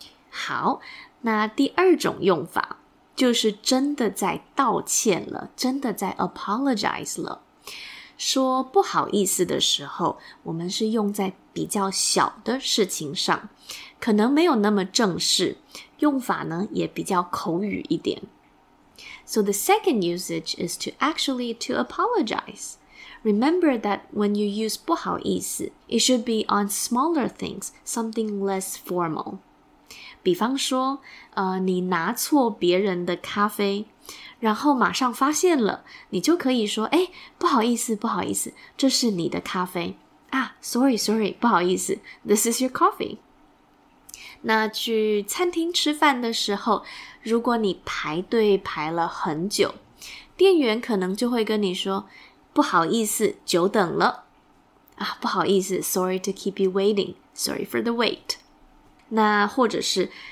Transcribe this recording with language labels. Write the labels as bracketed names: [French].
[Chinese] 好，那第二种用法，就是真的在道歉了，真的在 apologize 了。说不好意思的时候，我们是用在比较小的事情上，可能没有那么正式，用法呢也比较口语一点。 [English] So the second usage is to actually to apologize. Remember that when you use 不好意思, it should be on smaller things, something less formal. [Chinese] 比方说你拿错别人的咖啡，然后马上发现了，你就可以说，诶，不好意思，不好意思，这是你的咖啡。啊 , [English] sorry, sorry, [Chinese] 不好意思 , [English] this is your coffee. [Chinese] 那去餐厅吃饭的时候，如果你排队排了很久，店员可能就会跟你说，不好意思，久等了。啊，不好意思 , [English] sorry to keep you waiting, sorry for the wait. [Chinese] 那或者是